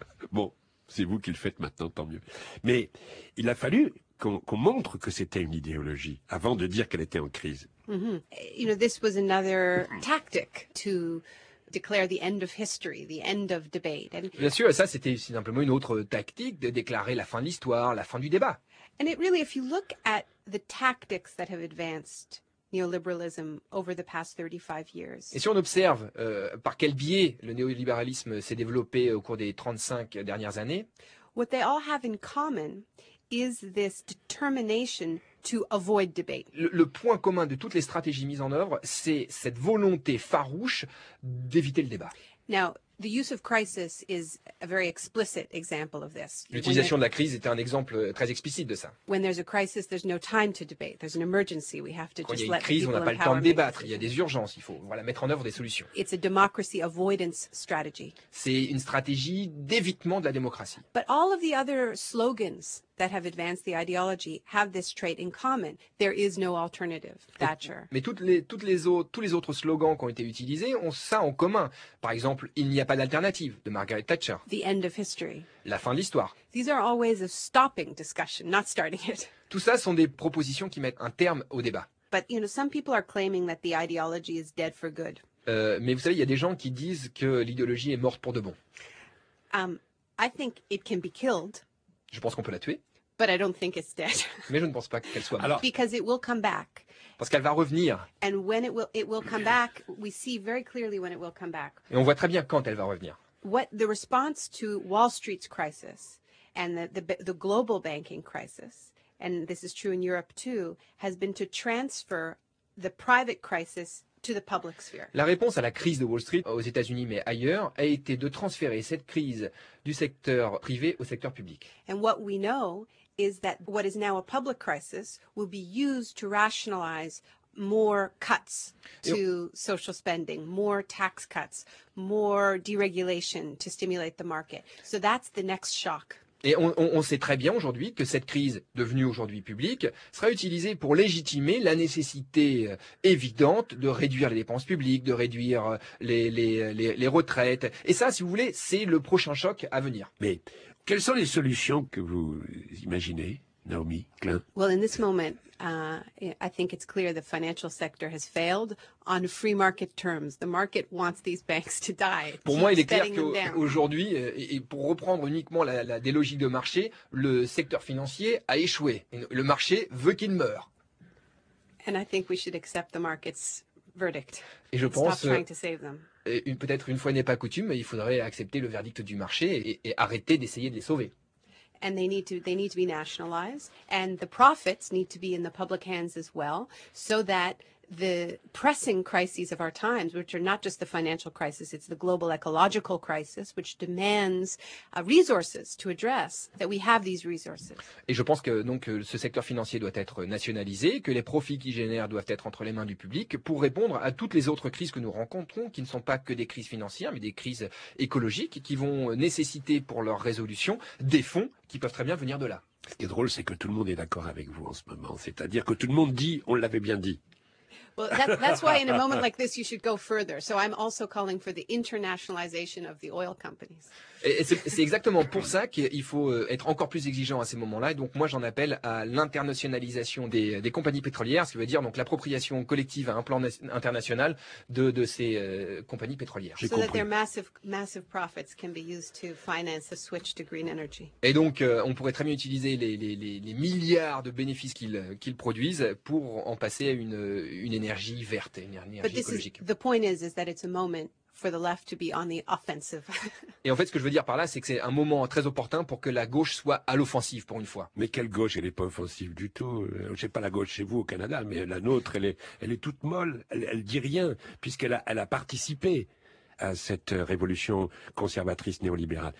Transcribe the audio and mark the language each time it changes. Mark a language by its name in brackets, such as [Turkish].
[French] bon, c'est vous qui le faites maintenant, tant mieux. Mais il a fallu qu'on montre que c'était une idéologie avant de dire qu'elle était en crise. [English] Mm-hmm. You know, this was another tactic to... declare the end of history, the end of debate. And [French] bien sûr, ça c'était simplement une autre tactique de déclarer la fin de l'histoire, la fin du débat. [English] And it really, if you look at the tactics that have advanced neoliberalism over the past 35 years. [French] Et si on observe par quel biais le néolibéralisme s'est développé au cours des 35 dernières années, [English] what they all have in common is this determination to avoid debate. [French] Le point commun de toutes les stratégies mises en œuvre, c'est cette volonté farouche d'éviter le débat. [English] Now, the use of crisis is a very explicit example of this. [French] L'utilisation de la crise est un exemple très explicite de ça. [English] When there's a crisis, there's no time to debate. There's an emergency. We have to [French] quand [English] just [French] y a une crise, on n'a pas le temps de débattre. Il y a des urgences. Il faut voilà, mettre en œuvre des solutions. [English] It's a democracy avoidance strategy. [French] C'est une stratégie d'évitement de la démocratie. [English] But all of the other slogans that have advanced the ideology have this trait in common. There is no alternative, Thatcher. [French] Mais tous les autres slogans qui ont été utilisés ont ça en commun. Par exemple, il n'y a pas d'alternative, de Margaret Thatcher. [English] The end of history. [French] La fin de l'histoire. [English] These are always a stopping discussion, not starting it. [French] Tout ça sont des propositions qui mettent un terme au débat. [English] But you know, some people are claiming that the ideology is dead for good. [French] Mais vous savez, il y a des gens qui disent que l'idéologie est morte pour de bon. [English] I think it can be killed. [French] Je pense qu'on peut la tuer. [English] But I don't think it's dead. [French] Mais je ne pense pas qu'elle soit morte. [English] Alors, because it will come back. [French] Parce qu'elle va revenir. [English] And when it will come back, we see very clearly when it will come back. [French] Et on voit très bien quand elle va revenir. [English] What the response to Wall Street's crisis and the global banking crisis, and this is true in Europe too, has been to transfer the private crisis to the public sphere. [French] La réponse à la crise de Wall Street aux États-Unis mais ailleurs a été de transférer cette crise du secteur privé au secteur public. [English] And what we know is that what is now a public crisis will be used to rationalize more cuts to social spending, more tax cuts, more deregulation to stimulate the market. So that's the next shock. [French] Et on sait très bien aujourd'hui que cette crise devenue aujourd'hui publique sera utilisée pour légitimer la nécessité évidente de réduire les dépenses publiques, de réduire les retraites. Et ça, si vous voulez, c'est le prochain choc à venir. Mais quelles sont les solutions que vous imaginez, Naomi Klein? [English] Well, in this moment, I think it's clear the financial sector has failed on free market terms. The market wants these banks to die. [French] Pour moi, il est clair qu'aujourd'hui, et pour reprendre uniquement des logiques de marché, le secteur financier a échoué. Le marché veut qu'il meure. [English] And I think we should accept the market's verdict. [French] Et je pense, [English] stop trying to save them. [French] Peut-être une fois n'est pas coutume, il faudrait accepter le verdict du marché et arrêter d'essayer de les sauver. [English] And they need to be nationalized, and the profits need to be in the public hands as well, so that the pressing crises of our times, which are not just the financial crisis, it's the global ecological crisis, which demands resources to address, that we have these resources. [French] Et je pense que donc ce secteur financier doit être nationalisé, que les profits qu'il génère doivent être entre les mains du public pour répondre à toutes les autres crises que nous rencontrons, qui ne sont pas que des crises financières, mais des crises écologiques, qui vont nécessiter pour leur résolution des fonds qui peuvent très bien venir de là. Ce qui est drôle, c'est que tout le monde est d'accord avec vous en ce moment, c'est-à-dire que tout le monde dit, on l'avait bien dit. [English] Well, that's why in a moment like this, you should go further. So I'm also calling for the internationalization of the oil companies. [French] Et c'est exactement pour ça qu'il faut être encore plus exigeant à ces moments-là. Et donc moi, j'en appelle à l'internationalisation des compagnies pétrolières, ce qui veut dire donc l'appropriation collective à un plan international de ces compagnies pétrolières. J'ai compris. [English] So that their massive profits can be used to finance a switch to green energy. [French] Et donc on pourrait très bien utiliser les milliards de bénéfices qu'ils produisent pour en passer à une énergie verte, une énergie écologique. [English] But the point is that it's a moment. For the left to be on the offensive. [French] Et en fait, ce que je veux dire par là, c'est que c'est un moment très opportun pour que la gauche soit à l'offensive pour une fois. Mais quelle gauche? Elle n'est pas offensive du tout. Je ne sais pas la gauche chez vous au Canada, mais la nôtre, elle est toute molle. Elle dit rien, puisqu'elle a participé à cette révolution conservatrice néolibérale.